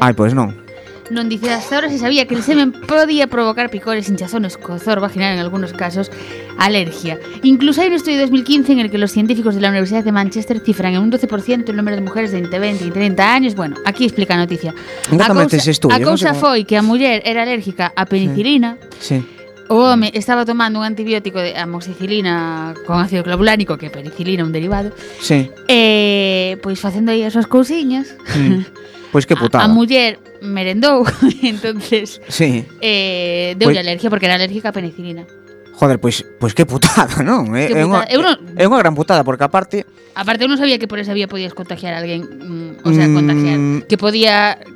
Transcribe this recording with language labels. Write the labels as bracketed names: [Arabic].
[Spanish] Ay, pues no. Non dice hasta ahora se sabía que el semen podía provocar picores, hinchazón, escozor vaginal, en algunos casos, alergia. Incluso hay un estudio de 2015 en el que los científicos de la Universidad de Manchester cifran en un 12% el número de mujeres de entre 20 y 30 años. Bueno, aquí explica la noticia. [Galician] A causa foi que a muller era alérgica a penicilina. [Spanish] Sí. Sí. [Galician] O home estaba tomando un antibiótico de amoxicilina con ácido clavulánico, que penicilina, un derivado. [Spanish] Sí. [Galician] Pois facendo aí as súas cousiñas. Pois que putada. A muller merendou, entonces. [Spanish] Sí. [Galician] Deu pues, alergia porque era alérgica a penicilina. Joder, pois que putada, non? É unha gran putada, porque aparte eu non sabía que por esa vía podías contagiar a alguén, contagiar, que podía